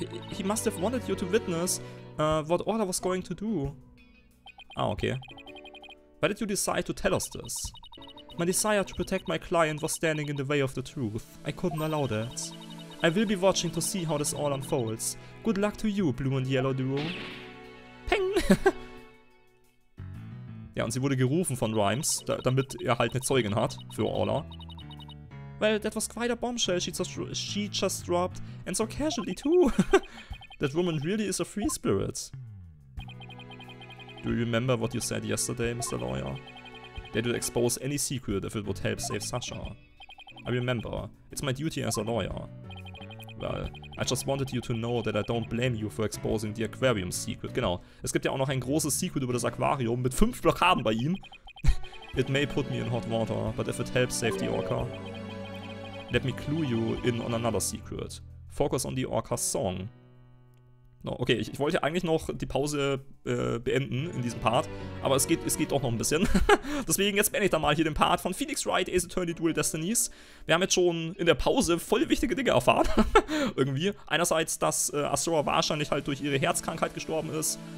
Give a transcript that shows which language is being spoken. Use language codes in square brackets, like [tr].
[en] He must have wanted you to witness what Orla was going to do. Ah, okay. Why did you decide to tell us this? My desire to protect my client was standing in the way of the truth. I couldn't allow that. I will be watching to see how this all unfolds. Good luck to you, Blue and Yellow Duo. Peng! [de] Ja, und sie wurde gerufen von Rhymes, damit er halt eine Zeugin hat für Orla. [en] Well, that was quite a bombshell she just dropped, and so casually too. That woman really is a free spirit. Do you remember what you said yesterday, Mr. Lawyer? That you'd expose any secret if it would help save Sasha. I remember. It's my duty as a lawyer. Well, I just wanted you to know that I don't blame you for exposing the aquarium secret. [de] Genau. Es gibt ja auch noch ein großes Secret über das Aquarium mit 5 Blockaden bei ihm. [en] It may put me in hot water, but if it helps save the orca. Let me clue you in on another secret. Focus on the orca's song. [de] No, okay, ich wollte eigentlich noch die Pause beenden in diesem Part, aber es geht auch noch ein bisschen. Deswegen jetzt beende ich dann mal hier den Part von Phoenix Wright Ace Attorney Duel Destinies. Wir haben jetzt schon in der Pause voll wichtige Dinge erfahren, irgendwie. Einerseits, dass Asura wahrscheinlich halt durch ihre Herzkrankheit gestorben ist.